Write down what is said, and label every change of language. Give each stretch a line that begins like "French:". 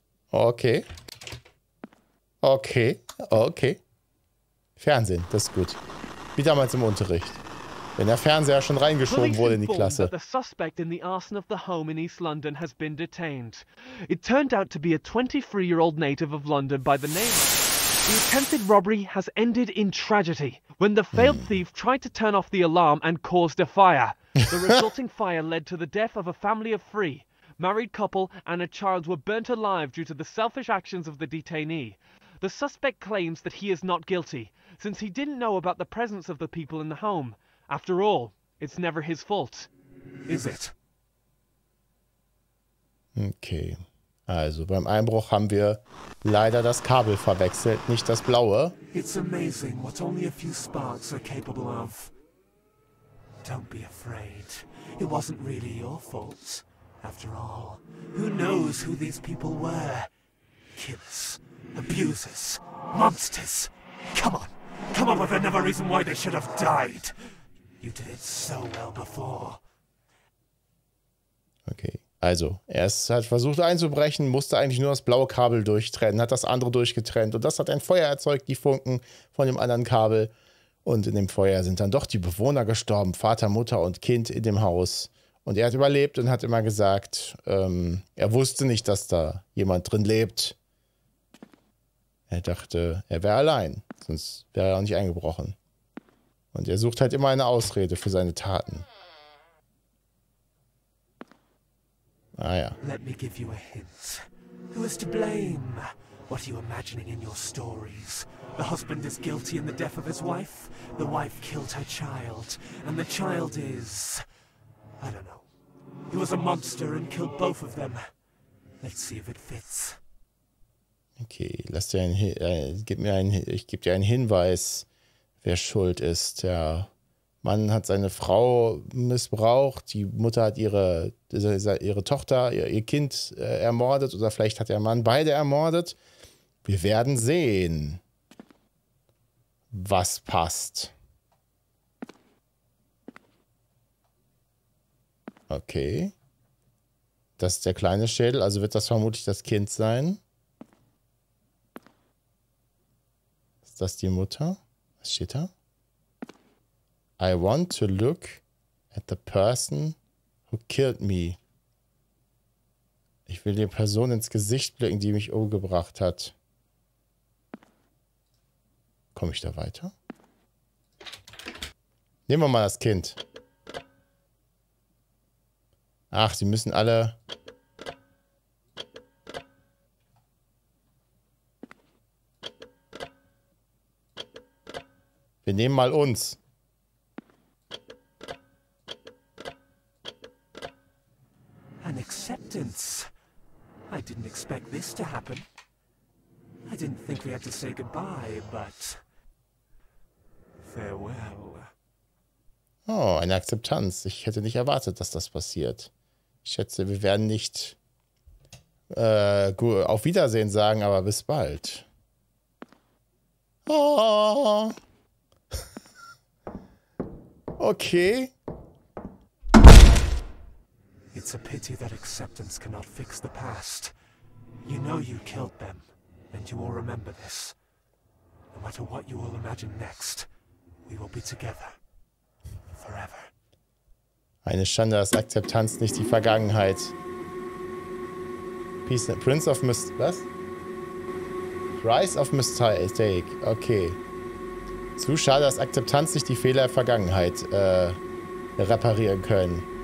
German: Okay. Okay. Okay. Fernsehen, das ist gut. Wie damals im Unterricht. Wenn der Fernseher schon reingeschoben wurde in die Klasse.
English: The suspect in the arson of the home in East London has been detained. It turned out to be a 23-year-old native of London by the name of... The attempted robbery has ended in tragedy when the failed thief tried to turn off the alarm and caused a fire. The resulting fire led to the death of a family of three. Married couple and a child were burnt alive due to the selfish actions of the detainee. The suspect claims that he is not guilty, since he didn't know about the presence of the people in the home. After all, it's never his fault. Is it? Okay.
German: Also, beim Einbruch haben wir leider das Kabel verwechselt, nicht das blaue.
English: It's amazing what only a few sparks are capable of. Don't be afraid. It wasn't really your fault. After all, who knows who these people were? Killers, abusers, monsters. Come on with another reason why they should have died. You did it so well before.
German: Okay, also, er hat versucht einzubrechen, musste eigentlich nur das blaue Kabel durchtrennen, hat das andere durchgetrennt und das hat ein Feuer erzeugt, die Funken von dem anderen Kabel. Und in dem Feuer sind dann doch die Bewohner gestorben, Vater, Mutter und Kind in dem Haus. Und er hat überlebt und hat immer gesagt, er wusste nicht, dass da jemand drin lebt. Er dachte, er wäre allein, sonst wäre er auch nicht eingebrochen. Und er sucht halt immer eine Ausrede für seine Taten. Ah ja.
English: Let me give you a hint. Who is to blame? What are you imagining in your stories? The husband is guilty in the death of his wife. The wife killed her child. And the child is... I don't know. He was a monster and killed both of them. Let's see if it fits.
German: Okay, lass dir ich geb dir einen Hinweis, wer schuld ist. Der Mann hat seine Frau missbraucht, die Mutter hat ihre Tochter, ihr Kind ermordet oder vielleicht hat der Mann beide ermordet. Wir werden sehen, was passt. Okay. Das ist der kleine Schädel, also wird das vermutlich das Kind sein. Ist das die Mutter? Was steht da?
English: I want to look at the person who killed me.
German: Ich will der Person ins Gesicht blicken, die mich umgebracht hat. Komme ich da weiter? Nehmen wir mal das Kind. Ach, sie müssen alle... Wir nehmen mal uns.
English: An acceptance. I didn't expect this to happen. I didn't think we had to say goodbye, but farewell.
German: Oh, eine Akzeptanz. Ich hätte nicht erwartet, dass das passiert. Ich schätze, wir werden nicht auf Wiedersehen sagen, aber bis bald. Oh. Okay.
English: It's a pity that acceptance cannot fix the past. You know you killed them, and you will remember this. No matter what you will imagine next, we will be together. Forever.
German: Eine Schande, dass Akzeptanz nicht die Vergangenheit.
English: Peace, Prince of Mist.
German: Was?
English: Rise of Mistake. Okay.
German: Zu schade, dass Akzeptanz nicht die Fehler der Vergangenheit reparieren können.